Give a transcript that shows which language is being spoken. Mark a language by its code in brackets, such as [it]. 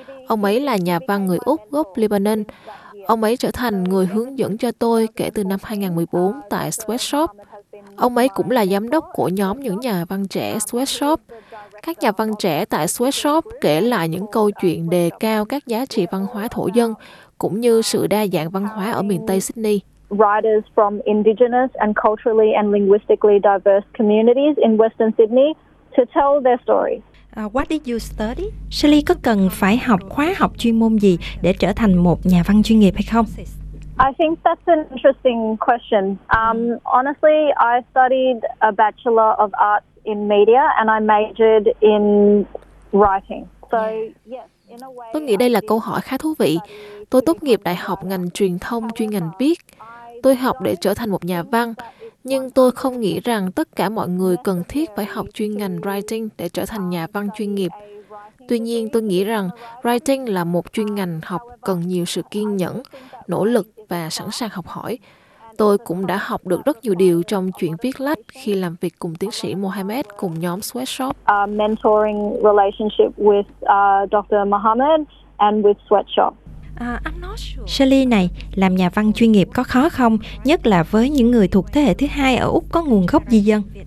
[vi] Ông ấy là nhà văn người Úc gốc Lebanon. Ông ấy trở thành người hướng dẫn cho tôi kể từ năm 2014 tại Sweatshop. Ông ấy cũng là giám đốc của nhóm những nhà văn trẻ Sweatshop. Các nhà văn trẻ tại Sweatshop kể lại những câu chuyện đề cao các giá trị văn hóa thổ dân cũng như sự đa dạng văn hóa ở miền Tây Sydney. [en] Writers from indigenous and culturally and linguistically diverse communities in Western Sydney to tell their story. What did you study? [vi] Shelley có cần phải học khóa học chuyên môn gì để trở thành một nhà văn chuyên nghiệp hay không? [en] I think that's an interesting question. Honestly, I studied a Bachelor of Arts in Media and I majored in writing. So, yes. [vi] Tôi nghĩ đây là câu hỏi khá thú vị. Tôi tốt nghiệp đại học ngành truyền thông chuyên ngành viết. Tôi học để trở thành một nhà văn, nhưng tôi không nghĩ rằng tất cả mọi người cần thiết phải học chuyên ngành writing để trở thành nhà văn chuyên nghiệp. Tuy nhiên, tôi nghĩ rằng writing là một chuyên ngành học cần nhiều sự kiên nhẫn, nỗ lực và sẵn sàng học hỏi. Tôi cũng đã học được rất nhiều điều trong chuyện viết lách khi làm việc cùng tiến sĩ Mohamed cùng nhóm Sweatshop. [en] Mentoring relationship with Dr. Mohamed and with Sweatshop. [vi] Shelley này, làm nhà văn chuyên nghiệp có khó không, nhất là với những người thuộc thế hệ thứ hai ở Úc có nguồn gốc di dân?